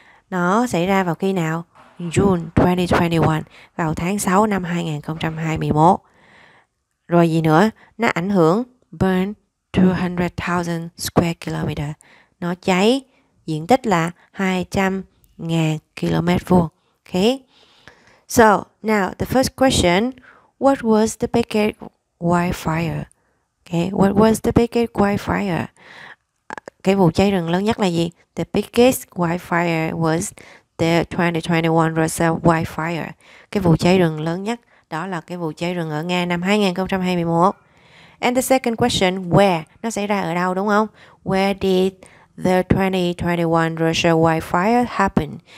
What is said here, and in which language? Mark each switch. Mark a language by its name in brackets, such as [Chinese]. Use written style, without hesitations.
[Vietnamese] Nó xảy ra vào khi nào? [English] June 2021. [Vietnamese] Vào tháng 6 năm 2021. Rồi gì nữa? Nó ảnh hưởng [English] burn 200,000 square kilometer. [Vietnamese] Nó cháy diện tích là 200,000 km vuông. [English] Okay. So, now the first question, what was the biggest wildfire? Okay, what was the biggest wildfire? [Vietnamese] Cái vụ cháy rừng lớn nhất là gì? [English] The biggest wildfire was the 2021 Russia wildfire. [Vietnamese] Cái vụ cháy rừng lớn nhất đó là cái vụ cháy rừng ở Nga năm 2021. [English] And the second question, where? [Vietnamese] Nó xảy ra ở đâu đúng không? [English] Where did the 2021 Russia wildfire happen?